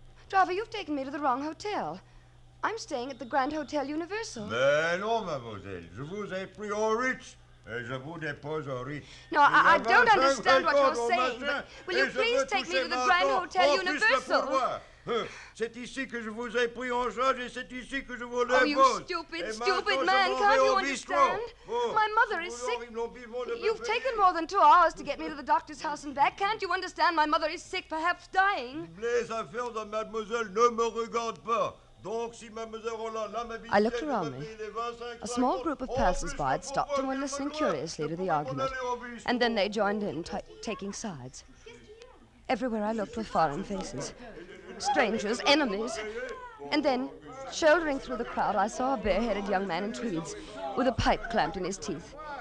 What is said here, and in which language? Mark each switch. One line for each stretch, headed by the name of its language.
English: Driver, you've taken me to the wrong hotel. I'm staying at the Grand Hotel Universal.
French: Mais non, mademoiselle. Je vous ai pris au Ritz. Et je vous dépose au Ritz.
English: No, I don't understand what you're saying, but will you please take me to the Grand Hotel Universal?
French: C'est ici que je vous ai pris en charge et c'est ici que je vous l'ai
English: Oh, you stupid, stupid man, can't you understand? My mother is sick. You've taken more than 2 hours to get me to the doctor's house and back. Can't you understand? My mother is sick, perhaps dying.
French: Les affaires de mademoiselle ne me regardent pas. Donc, si mademoiselle Roland, là, ma
English: I looked around me. A small group of passers-by had stopped and were listening curiously to the argument. And then they joined in, taking sides. Everywhere I looked were foreign faces. Strangers, enemies. And then, shouldering through the crowd, I saw a bareheaded young man in tweeds with a pipe clamped in his teeth.